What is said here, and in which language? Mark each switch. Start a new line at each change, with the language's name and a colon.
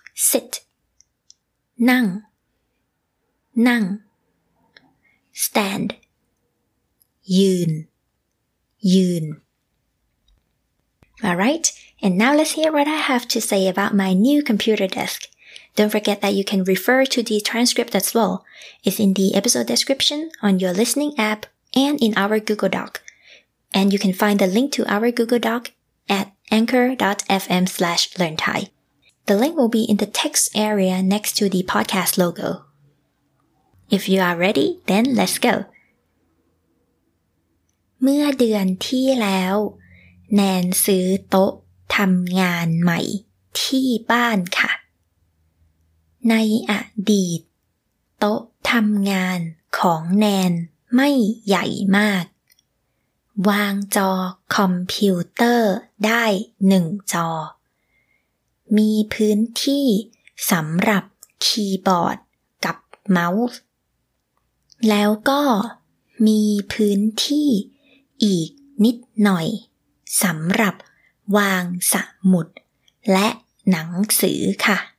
English: sit นั่งนั่ง stand ยืนยืนAlright, and now let's hear what I have to say about my new computer desk. Don't forget that you can refer to the transcript as well. It's in the episode description on your listening app and in our Google Doc. And you can find the link to our Google Doc at anchor.fm/learnthai. The link will be in the text area next to the podcast logo. If you are ready, then let's go.
Thai: เมื่อเดือนที่แล้วแนนซื้อโต๊ะทำงานใหม่ที่บ้านค่ะ ในอดีตโต๊ะทำงานของแนนไม่ใหญ่มากวางจอคอมพิวเตอร์ได้หนึ่งจอมีพื้นที่สำหรับคีย์บอร์ดกับเมาส์แล้วก็มีพื้นที่อีกนิดหน่อยสำหรับวางสมุดและหนังสือค่ะ